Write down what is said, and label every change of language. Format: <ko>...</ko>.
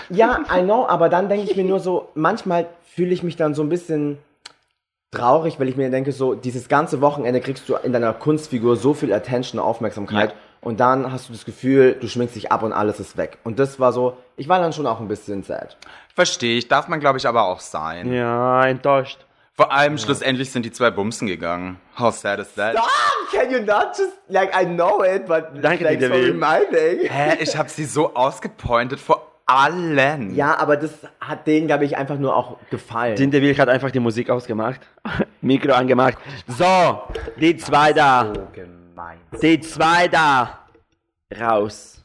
<de>Ja,</de> <en>I know,</en> <de>aber dann denke ich mir nur so, manchmal fühle ich mich dann so ein bisschen traurig, weil ich mir denke so, dieses ganze Wochenende kriegst du in deiner Kunstfigur so viel Attention, Aufmerksamkeit ja. Und dann hast du das Gefühl, du schminkst dich ab und alles ist weg. Und das war so, ich war dann schon auch ein bisschen sad. Verstehe ich, darf man glaube ich aber auch sein. Ja, enttäuscht. Vor allem Schlussendlich sind die 2 Bumsen gegangen.</de> <en>How sad is that? Stop! Can you not just, like, I know it, but</en> <de>danke, thanks</de> <en>for reminding.</en> <de>Hä, ich hab sie so ausgepointet vor allen. Ja, aber das hat denen, glaube ich, einfach nur auch gefallen. Dean DeVille hat einfach die Musik ausgemacht. Mikro angemacht. So, die 2 da. So gemein. Die 2 da. Raus.</de>